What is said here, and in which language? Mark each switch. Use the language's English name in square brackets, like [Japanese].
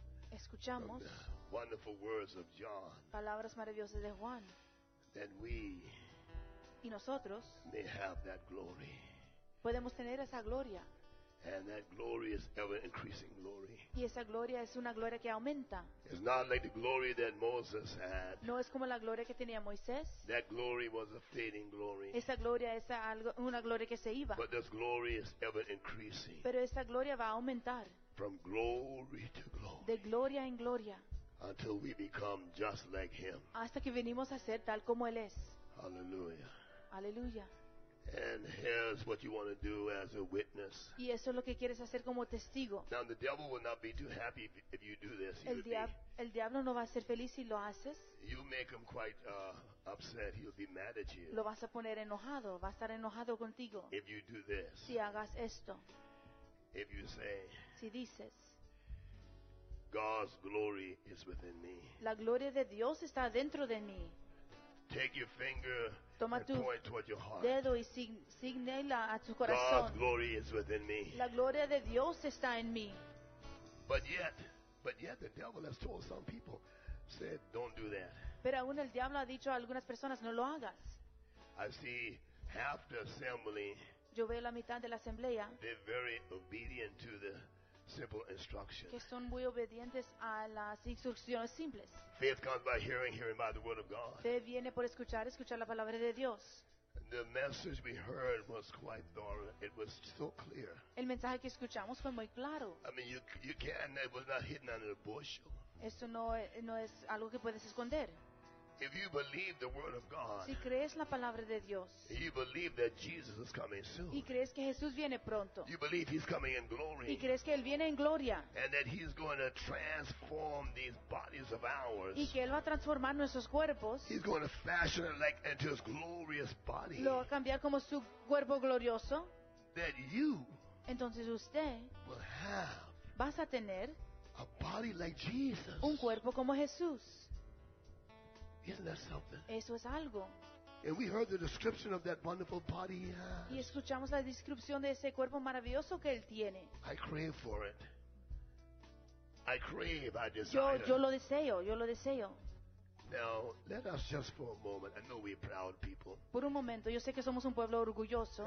[Spanish] escuchamos [English] wonderful words of John, [Spanish] palabras maravillosas de Juan. [English] That we [Spanish] y nosotros [English] may have that glory. [Spanish] Podemos tener esa gloria. [English] And that glory is ever increasing glory. [Spanish] Y esa gloria es una gloria que aumenta. [English] It's not like the glory that Moses had. [Spanish] No es como la gloria que tenía Moisés. [English] That glory was a fading glory. [Spanish] Esa gloria es algo, una gloria que se iba. [English] But this glory is ever increasing. [Spanish] Pero esa gloria va a aumentar. [English] From glory to glory. [Spanish] De gloria en gloria. [English] Until we become just like him. [Spanish] Hasta que venimos a ser tal como él es. [English] Hallelujah. [Spanish] Hallelujah. [English] And here's what you want to do as a witness. [Spanish] Y eso es lo que quieres hacer como testigo. [English] Now the devil will not be too happy if you do this. [Spanish] El diablo no va a ser feliz si lo haces. [English] You make him quite upset. He'll be mad at you. [Spanish] Lo vas a poner enojado. Va a estar enojado contigo. [English] If you do this. [Spanish] Si hagas esto. [English] If you say. [Spanish] Si dices. [English] God's glory is within me. [Spanish] La gloria de Dios está dentro de mí. [English] Take your finger. [Spanish] Toma [English] and [Spanish] tu [English] point toward your heart. [Spanish] Dedo y signela a tu corazón. [English] God's glory is within me. [Spanish] La gloria de Dios está en mí. [English] But yet the devil has told some people, said, don't do that. [Spanish] Pero aún el diablo ha dicho a algunas personas, no lo hagas. [English] I see half the assembly. [Spanish] Yo veo la mitad de la asamblea. [English] They're very obedient to the simple instructions. [Spanish] Que son muy obedientes a las instrucciones simples. [English] Faith comes by hearing, hearing by the word of God. [Spanish] Fe viene por escuchar, escuchar la palabra de Dios. [English] The message we heard was quite thorough. It was so clear. [Spanish] El mensaje que escuchamos fue muy claro. [English] I mean, you can't. It was not hidden under a bushel. [Spanish] Esto no es algo que puedes esconder. [English] If you believe the word of God, [Spanish] si crees la palabra de Dios, [English] you believe that Jesus is coming soon. [Spanish] Y crees que Jesús viene pronto. [English] You believe he's coming in glory. [Spanish] Y crees que él viene en gloria. [English] And that he's going to transform these bodies of ours. [Spanish] Y que él va a transformar nuestros cuerpos. [English] He's going to fashion it like into his glorious body. [Spanish] Lo va a cambiar como su cuerpo glorioso. [English] That you, [Spanish] entonces usted, [English] will have, [Spanish] vas a tener, [English] a body like Jesus. [Spanish] Un cuerpo como Jesús. [English] Isn't that something? [Spanish] Eso es algo. [English] And we heard the description of that wonderful body he has. [Spanish] Y escuchamos la descripción de ese cuerpo maravilloso que él tiene. [English] I crave for it. I crave, I desire. [Spanish] Yo lo deseo, yo lo deseo. [English] Now, let us just for a moment. I know we're proud people. [Spanish] Por un momento, yo sé que somos un pueblo orgulloso.